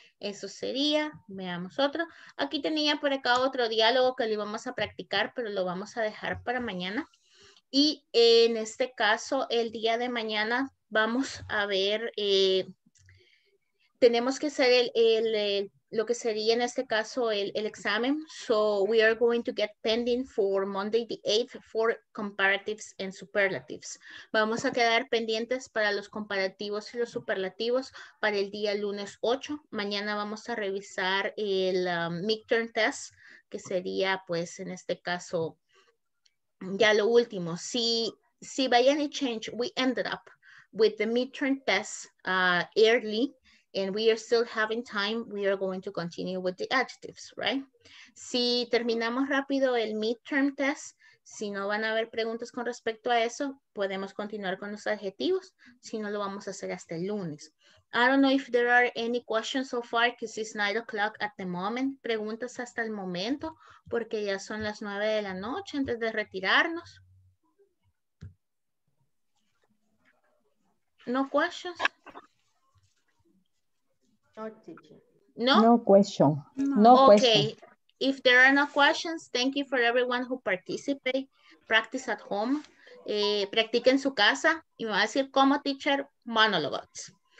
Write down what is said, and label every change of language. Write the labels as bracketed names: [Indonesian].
[Spanish] Eso sería, veamos otro. Aquí tenía por acá otro diálogo que lo íbamos a practicar, pero lo vamos a dejar para mañana. Y en este caso, el día de mañana vamos a ver, tenemos que hacer lo que sería en este caso el examen. [English] So we are going to get pending for Monday the 8th for comparatives and superlatives. [Spanish] Vamos a quedar pendientes para los comparativos y los superlativos para el día lunes 8. Mañana vamos a revisar el midterm test, que sería pues en este caso ya lo último. Si [English] by any change we ended up with the midterm test early, and we are still having time, we are going to continue with the adjectives, right? [Spanish] Si terminamos rápido el midterm test, si no van a haber preguntas con respecto a eso, podemos continuar con los adjetivos. Si no, lo vamos a hacer hasta el lunes. [English] I don't know if there are any questions so far, because it's 9 o'clock at the moment. [Spanish] Preguntas hasta el momento, porque ya son las 9 de la noche antes de retirarnos. [English] No questions. No question. If there are no questions, thank you for everyone who participate. Practice at home. [Spanish] Practique en su casa. Y me va a decir como teacher, monólogos.